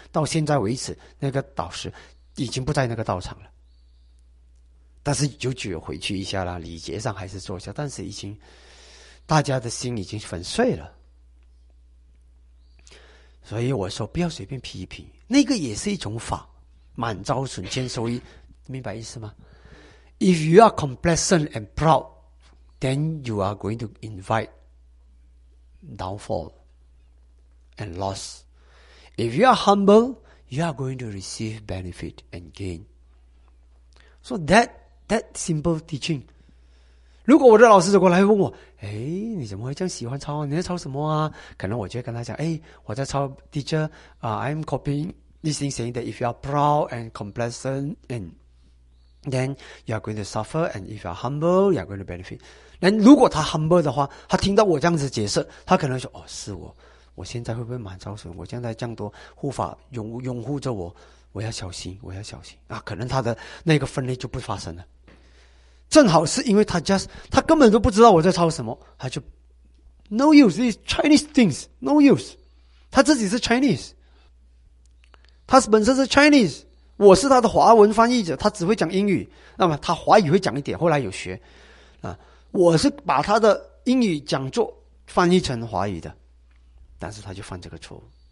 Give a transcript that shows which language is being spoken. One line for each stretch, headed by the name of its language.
Chinese: 到现在为止，那个导师已经不在那个道场了，但是就只有回去一下啦，礼节上还是做一下，但是已经大家的心已经粉碎了。所以我说不要随便批评，那个也是一种法，满招损兼收益，明白意思吗？
English: If you are complacent and proud, then you are going to invite downfall and loss. If you are humble, you are going to receive benefit and gain. So that simple teaching.
Chinese: 如果我的老师走过来问我，哎，你怎么会这样喜欢抄，你在抄什么啊，可能我就会跟他讲，哎，我在抄
English: teacher,I'm copying this thing saying that if you are proud and complacent, and then you are going to suffer, and if you are humble, you are going to benefit.
Chinese: 那如果他 humble 的话，他听到我这样子解释，他可能说，哦，是我现在会不会满招损，我现在这样多护法拥护着我，我要小心，我要小心啊，可能他的那个分裂就不发生了。正好是因为他根本都不知道我在抄什么，他就
English: no use these Chinese things, no use,
Chinese: 他自己是 Chinese, 他本身是 Chinese, 我是他的华文翻译者，他只会讲英语，那么他华语会讲一点，后来有学啊，我是把他的英语讲座翻译成华语的，但是他就犯这个错误。